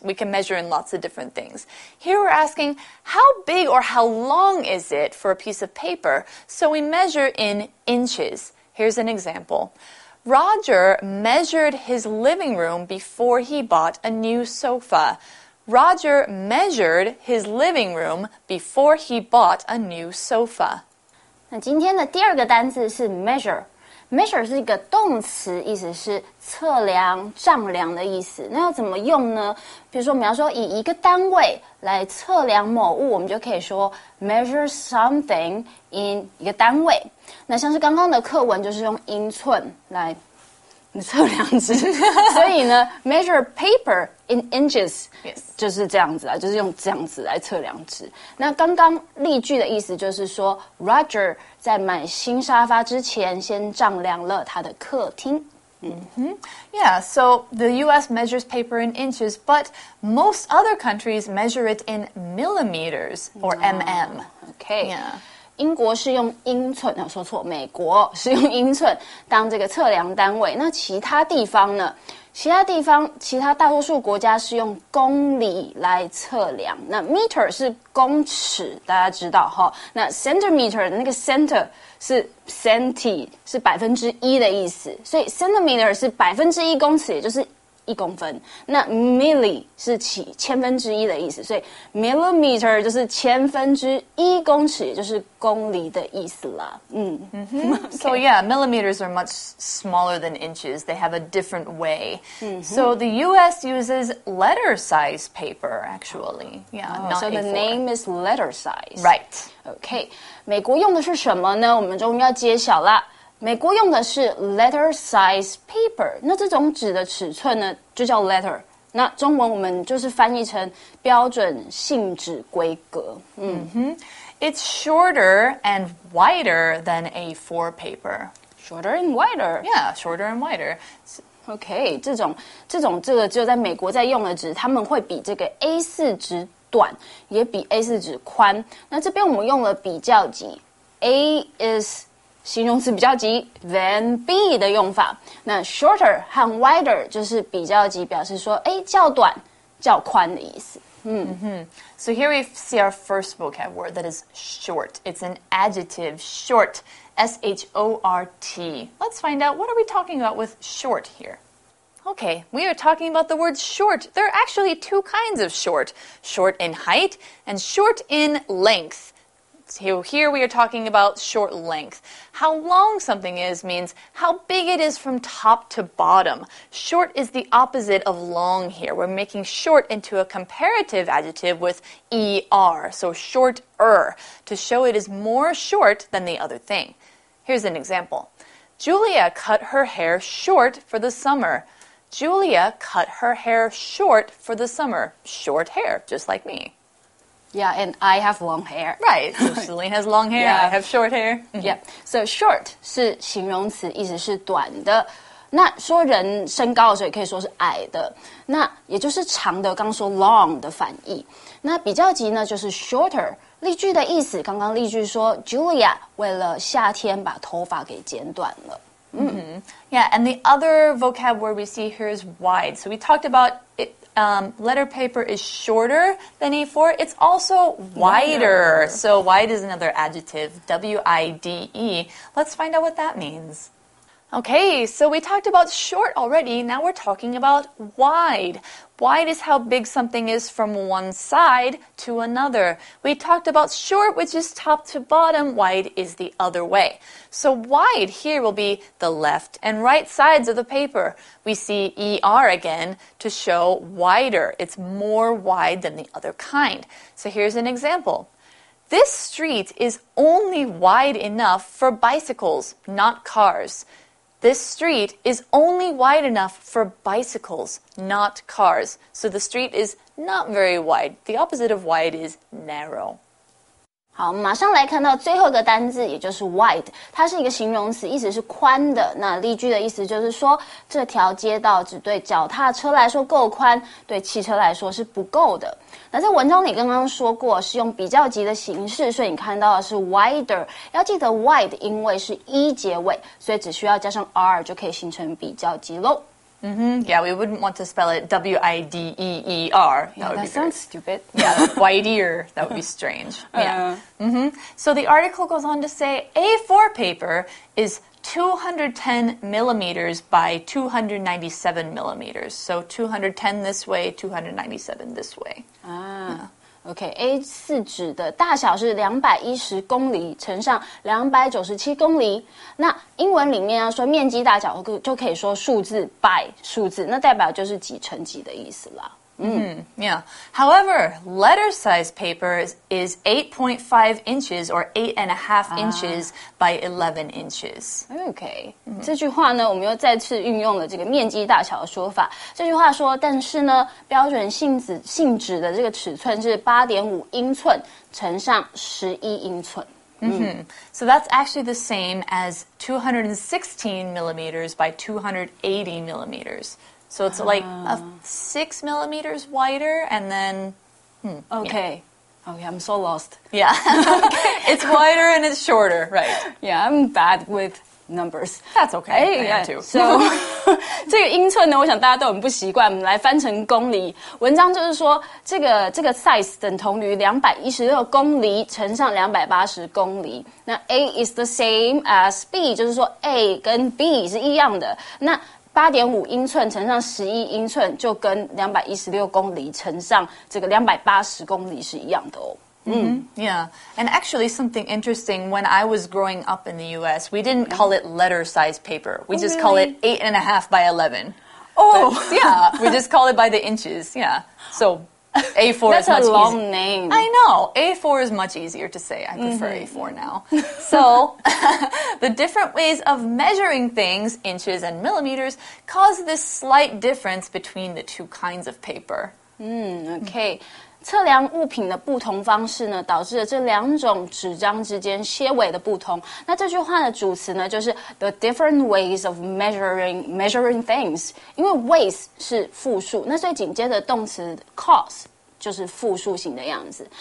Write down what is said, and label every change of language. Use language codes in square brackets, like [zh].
[en] We can measure in lots of different things. Here we're asking, how big or how long is it for a piece of paper? So we measure in inches. Here's an example. Roger measured his living room before he bought a new sofa. Roger measured his living room before he bought a new sofa. [zh] 那今天的第二个单字是 measure. Measure 是一个动词，意思是测量、丈量的意思。那要怎么用呢？比如说，我们要说以一个单位来测量某物，我们就可以说 [en] measure something in [zh] 一个单位。那像是刚刚的课文就是用英寸来测量纸。所以呢 [en] measure paper in inches、 yes. [zh] 就是这样子啊，就是用这样子来测量纸。那刚刚例句的意思就是说 Roger 在买新沙发之前先丈量了他的客厅。 [en] Mm-hmm. Yeah, so the U.S. measures paper in inches, but most other countries measure it in millimeters or mm. Okay. Yeah. [zh] 英国是用英寸，说错，美国是用英寸当这个测量单位。那其他地方呢？其他地方，其他大多数国家是用公里来测量。那 meter 是公尺，大家知道哈。那 centimeter 那个 center 是 centi 是百分之一的意思，所以 centimeter 是百分之一公尺，也就是一公分。那 milli 是起千分之一的意思，所以 millimeter 就是千分之一公尺，也就是公里的意思啦。嗯、 [en] mm-hmm. okay. So yeah, millimeters are much smaller than inches. They have a different way.、Mm-hmm. So the U.S. uses letter-size paper, actually. Yeah,、 oh, not so the、A4. Name is letter-size. Right. [zh] Okay. 美国用的是什么呢？我们终于要揭晓啦。美国用的是 [en] letter size paper， [zh] 那这种纸的尺寸呢，就叫 letter。那中文我们就是翻译成标准信纸规格。嗯哼、mm-hmm. [en] ，It's shorter and wider than A4 paper. Shorter and wider. Yeah, shorter and wider. [zh] Okay， 这个只有在美国在用的纸，他们会比这个 A4 纸短，也比 A4 纸宽。那这边我们用了比较级 ， [en] A is [zh] 形容词比较级 [en] than B [zh] 的用法，那 shorter 和 wider 就是比较级，表示说哎较短较宽的意思。嗯哼、mm-hmm. [en] So here we see our first vocab word that is short. It's an adjective, short, S-H-O-R-T. Let's find out what are we talking about with short here. Okay, we are talking about the word short. There are actually two kinds of short, short in height and short in length. So here we are talking about short length. How long something is means how big it is from top to bottom. Short is the opposite of long here. We're making short into a comparative adjective with er, so shorter, to show it is more short than the other thing. Here's an example. Julia cut her hair short for the summer. Julia cut her hair short for the summer. Short hair, just like me. Yeah, and I have long hair. Right, so Celine has long hair, yeah. I have short hair. Yeah, so short [zh] 是形容词，意思是短的。那说人身高的时候也可以说是矮的，那也就是长的，刚说 long 的反义。那比较级呢就是 shorter。例句的意思，刚刚例句说 Julia 为了夏天把头发给剪短了。 Mm-hmm. [en] Yeah, and the other vocab word we see here is wide. So we talked about it, letter paper is shorter than A4. It's also wider. So wide is another adjective, W-I-D-E. Let's find out what that means. Okay, so we talked about short already. Now we're talking about wide. Wide is how big something is from one side to another. We talked about short, which is top to bottom. Wide is the other way. So wide here will be the left and right sides of the paper. We see er again to show wider. It's more wide than the other kind. So here's an example. This street is only wide enough for bicycles, not cars. This street is only wide enough for bicycles, not cars. So the street is not very wide. The opposite of wide is narrow. [zh] 好，马上来看到最后一个单字，也就是 wide. 它是一个形容词，意思是宽的。那例句的意思就是说，这条街道只对脚踏车来说够宽，对汽车来说是不够的。那在文章里刚刚说过是用比较级的形式，所以你看到的是 wider， 要记得 wide 因为是一结尾，所以只需要加上 r 就可以形成比较级咯。 Mm-hmm. [en] Yeah, we wouldn't want to spell it W-I-D-E-E-R. That sounds stupid. Yeah, wider. That would be strange. Yeah. Mm-hmm. So the article goes on to say A4 paper is 210 millimeters by 297 millimeters. So 210 this way, 297 this way. [zh] Okay, A4 纸的大小是210公里乘上297公里。那英文里面要说面积大小就可以说数字 by 数字，那代表就是几乘几的意思啦。 [en] Yeah. However, letter size paper is 8.5 inches or 8.5 inches by 11 inches. Okay. Mm-hmm. [zh] 这句话呢，我们又再次运用了这个面积大小的说法。这句话说，但是呢，标准信纸的这个尺寸是 8.5 英寸乘上11英寸。 Mm-hmm. [en] So that's actually the same as 216 millimeters by 280 millimeters. So it's like 6 millimeters wider and then... Okay, I'm so lost. Yeah, it's wider and it's shorter, right. Yeah, I'm bad with... numbers. That's okay. I am too. [zh] So, 这个英寸呢，我想大家都很不习惯。我们来翻成公里。文章就是说，这个 size 等同于216公里乘上280公里。那 [en] A is the same as B, [zh] 就是说 A 跟 B 是一样的。那8.5 英寸乘上11英寸就跟216公里乘上这个280公里是一样的哦。 Mm-hmm. [en] Yeah, and actually something interesting, when I was growing up in the U.S., we didn't call it letter size paper. We just call it 8.5 by 11. Oh! But, yeah, we just call it by the inches, yeah. So A4 is much easier. That's a long name. I know, A4 is much easier to say. I prefer A4 now. So the different ways of measuring things, inches and millimeters, cause this slight difference between the two kinds of paper. Okay. Mm-hmm. [zh] 测量物品的不同方式呢，导致了这两种纸张之间些微的不同。那这句话的主词呢，就是 [en] the different ways of measuring things， [zh] 因为 ways 是复数，那所以紧接着动词 [en] cause [zh] 就是复数型的样子。